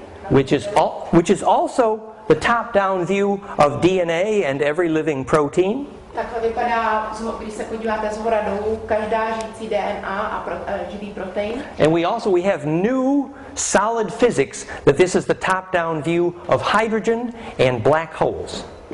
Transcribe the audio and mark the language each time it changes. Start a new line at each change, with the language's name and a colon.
English: Which is also the top-down view of DNA and every living protein.
Czech: Takhle vypadá, když se podíváte z hora dolů, každá žijící DNA a živý protein.
English: And we have new solid physics that this is the top-down view of hydrogen and black holes.